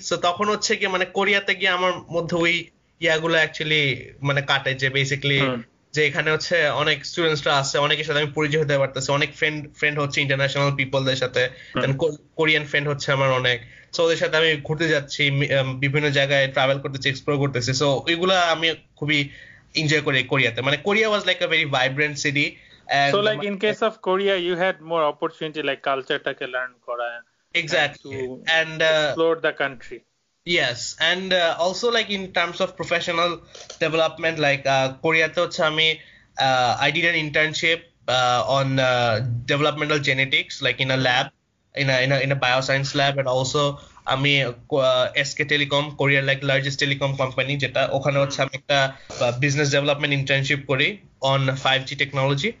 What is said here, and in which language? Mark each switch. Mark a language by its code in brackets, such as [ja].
[bn] So তখন হচ্ছে কি মানে কোরিয়াতে গিয়ে আমার মধ্যে ওই ইয়াগুলো অ্যাকচুয়ালি মানে কাটে যে বেসিক্যালি যে এখানে হচ্ছে অনেক স্টুডেন্টসরা আছে অনেকের সাথে আমি পরিচয় হতে পারতেছি, অনেক ফ্রেন্ড ফ্রেন্ড হচ্ছে ইন্টারন্যাশনাল পিপলদের সাথে, দেন কোরিয়ান ফ্রেন্ড হচ্ছে আমার অনেক, সো ওদের সাথে আমি ঘুরতে যাচ্ছি বিভিন্ন জায়গায়, ট্রাভেল করতেছি, এক্সপ্লোর করতেছি। সো ওইগুলো আমি খুবই এনজয় করি কোরিয়াতে, মানে [en] Korea was like a very vibrant city. So, and like in case of Korea, you had more opportunity, like culture টাকে learn করা and to exactly, and explore the country. Yes, and also like in terms of professional development like [bn] কোরিয়াতে হচ্ছে আমি [en] I did an internship on developmental genetics like in a lab, in a bioscience lab. [bn] And also আমি SK telecom কোরিয়ার like largest telecom company যেটা, ওখানে হচ্ছে আমি একটা বিজনেস ডেভেলপমেন্ট ইন্টার্নশিপ করি অন 5G টেকনোলজি।